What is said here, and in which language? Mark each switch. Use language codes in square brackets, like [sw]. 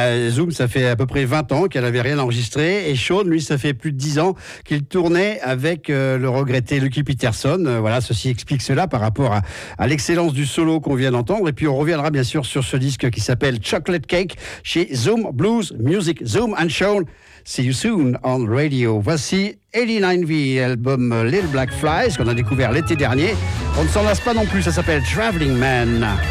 [fr] Zoom, ça fait à peu près 20 ans qu'elle n'avait rien enregistré. Et Sean, lui, ça fait plus de 10 ans qu'il tournait avec le regretté Lucky Peterson. Voilà, ceci explique cela par rapport à l'excellence du solo qu'on vient d'entendre. Et puis, on reviendra bien sûr sur ce disque qui s'appelle Chocolate Cake chez Zoom Blues Music. [en] Zoom and Sean, see you soon on radio. [fr] Voici 89V, album Little Black Flies, qu'on a découvert l'été dernier. On ne s'en lasse pas non plus, ça s'appelle Traveling Man.